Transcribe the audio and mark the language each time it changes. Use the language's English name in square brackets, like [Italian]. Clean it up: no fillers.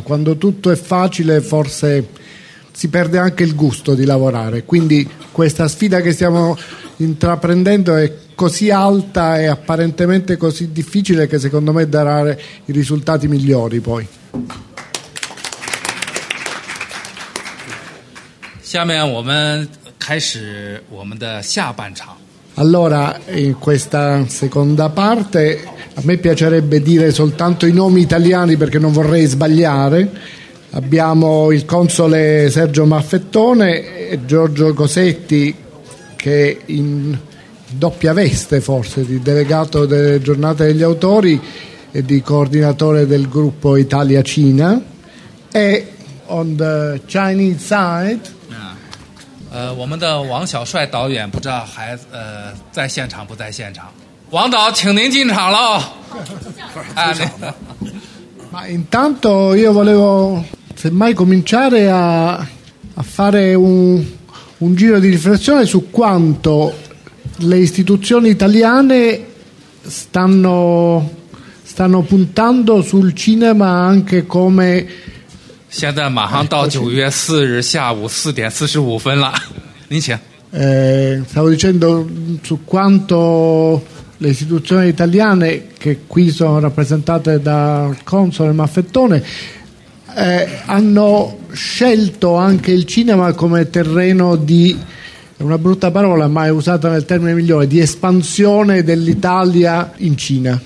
[Italian] Quando tutto è facile, forse si perde anche il gusto di lavorare. Quindi questa sfida che stiamo intraprendendo è così alta e apparentemente così difficile che secondo me darà i risultati migliori poi. [Chinese] 下面我们开始我们的下半场。 [Italian] Allora, in questa seconda parte, a me piacerebbe dire soltanto i nomi italiani perché non vorrei sbagliare. Abbiamo il console Sergio Maffettone e Giorgio Cosetti, che in doppia veste forse, di delegato delle giornate degli autori e di coordinatore del gruppo Italia-Cina. [English] E on the Chinese side... [Chinese] 我们的王小帅导演不知道还在现场不在现场，王导，请您进场喽。 [Italian] Ma intanto io volevo semmai cominciare a fare un giro di riflessione su quanto le istituzioni italiane stanno puntando sul cinema anche come。 [Chinese] 现在马上到九月四日下午四点四十五分了，您请。 [Italian] Stavo dicendo su quanto le istituzioni italiane che qui sono rappresentate dal console Maffettone hanno scelto anche il cinema come terreno di una brutta parola ma è usata nel termine migliore di espansione dell'Italia in Cina.